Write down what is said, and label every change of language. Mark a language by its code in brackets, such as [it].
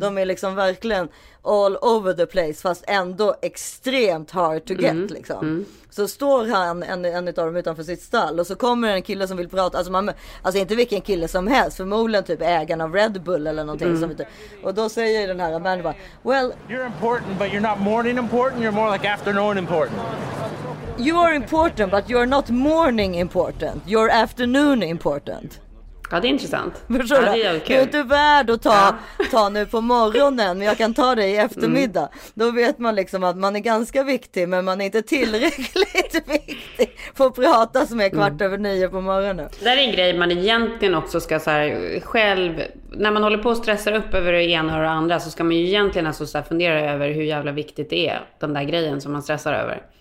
[sv] De är liksom verkligen [en] all over the place, [sv] fast ändå extremt [en] hard to get [sv] liksom. Så står han en av dem utanför sitt stall och så kommer en kille som vill prata, alltså, alltså inte vilken kille som helst, förmodligen typ ägaren av Red Bull eller någonting som inte, och då säger den här mannen bara, well, [en] you're important but you're not morning important, you're more like afternoon important. You are important but you're not morning important, you're afternoon important. [sv] Ja, det är intressant. Förstår du? Ja, det är inte värd att ta nu på morgonen, men jag kan ta det i eftermiddag. Mm. Då vet man liksom att man är ganska viktig, men man är inte tillräckligt viktig för att prata som är 8:15 på morgonen. Det är en grej man egentligen också ska så här, själv, när man håller på och stressar upp över det ena och det andra, så ska man ju egentligen alltså så här fundera över hur jävla viktigt det är, den där grejen som man stressar över.